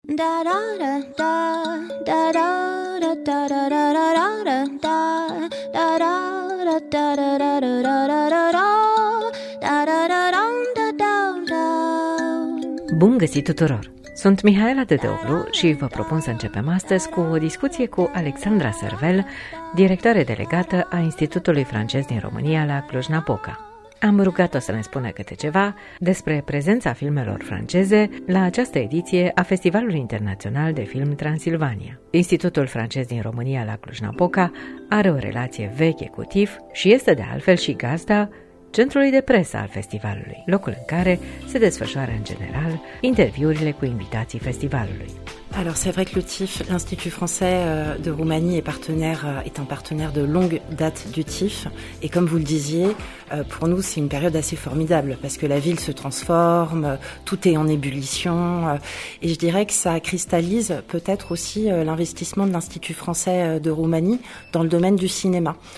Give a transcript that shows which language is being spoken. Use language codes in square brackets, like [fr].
[ro] da da da da da da da da da da da da da da da da da da da da da da da da da da da da da da da da. Bun găsit tuturor! Sunt Mihaela Dedeoglu și vă propun să începem astăzi cu o discuție cu Alexandra Servel, directoare delegată a Institutului Francez din România la Cluj-Napoca. Am rugat-o să ne spună câte ceva despre prezența filmelor franceze la această ediție a Festivalului Internațional de Film Transilvania. Institutul Francez din România la Cluj-Napoca are o relație veche cu TIFF și este de altfel și gazda centrului de presă al festivalului, locul în care se desfășoară în general interviurile cu invitații festivalului. [fr] Alors c'est vrai que le TIFF, l'Institut français de Roumanie est un partenaire de longue date du TIFF et comme vous le disiez, pour nous c'est une période assez formidable parce que la ville se transforme, tout est en ébullition et je dirais que ça cristallise peut-être aussi l'investissement de l'Institut français de Roumanie dans le domaine du cinéma.